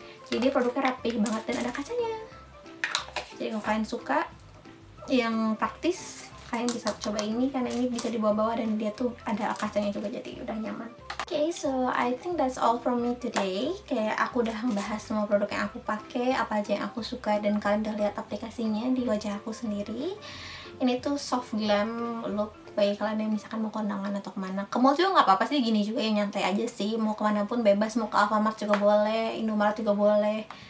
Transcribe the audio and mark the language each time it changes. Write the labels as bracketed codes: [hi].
[id] Jadi produknya rapih banget dan ada kacanya. Jadi kalau kalian suka yang praktis, kalian bisa coba ini karena ini bisa dibawa-bawa dan dia tuh ada kacanya juga, jadi udah nyaman. [en] Okay, so I think that's all from me today. [id] Kayak aku udah membahas semua produk yang aku pakai, apa aja yang aku suka, dan kalian udah lihat aplikasinya di wajah aku sendiri. Ini tuh soft glam look bagi kalian yang misalkan mau kondangan atau kemana. Ke mall juga gak apa-apa sih, gini juga yang nyantai aja sih. Mau kemana pun bebas, mau ke Alfamart juga boleh, Indomaret juga boleh.